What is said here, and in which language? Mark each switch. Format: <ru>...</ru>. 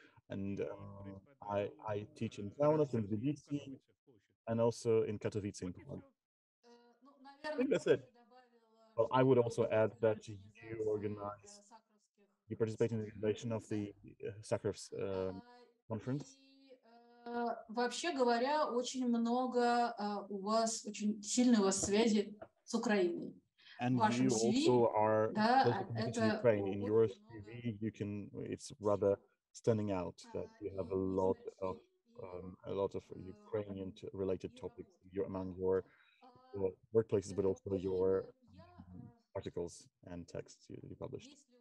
<en>And I teach in Kaunas, in Tbilisi, and also in Katowice, in Poland. I think that's it. Well, I would also add that you organize, you participate in the organization of the Sakharov conference.</en> <ru>Вообще говоря, очень много у вас, очень сильные у вас связи с Украиной.</ru> <en>And you also are close to Ukraine. In your CV, you can, it's rather standing out that you have a lot of Ukrainian related topics among your workplaces, but also your articles and texts you published.</en>